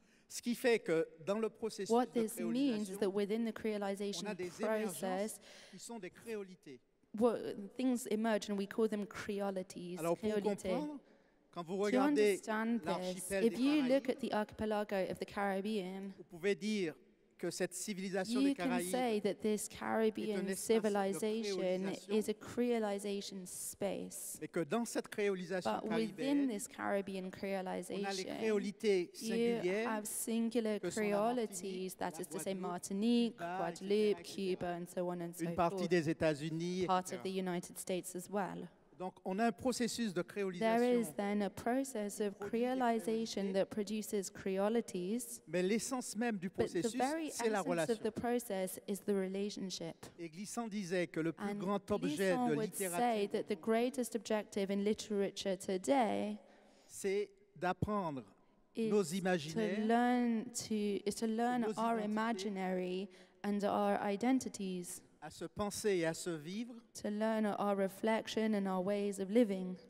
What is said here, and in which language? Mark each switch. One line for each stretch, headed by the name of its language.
French: Ce qui fait que dans le processus
English: what
French: de
English: this means is that within the creolization process,
French: qui sont des créolités.
English: Well, things emerge and we call them creolities.
French: Alors pour comprendre. Quand vous regardez l'archipel
English: if you look at the archipelago of the Caribbean,
French: vous pouvez dire que cette civilisation des Caraïbes
English: you can say that this Caribbean civilization is a creolization space.
French: Et que dans cette créolisation
English: but within this Caribbean creolization,
French: on a les créolités singulières,
English: you have singular creolities, that is to say Martinique, Guadeloupe, Cuba, and so on and so forth.
French: Une partie des États-Unis,
English: part of the United States as well.
French: Donc on a un processus de créolisation.
English: There is then a process of creolization that produces creolities.
French: Mais l'essence même du processus, c'est la relation.
English: But the very essence of the process is the relationship.
French: Et Glissant disait que le plus grand objet de littérature,
English: would say that the greatest objective in literature today,
French: c'est d'apprendre nos imaginaires,
English: is to learn our imaginary and our identities.
French: À se penser et à se vivre,
English: to learn our reflection and our ways of living,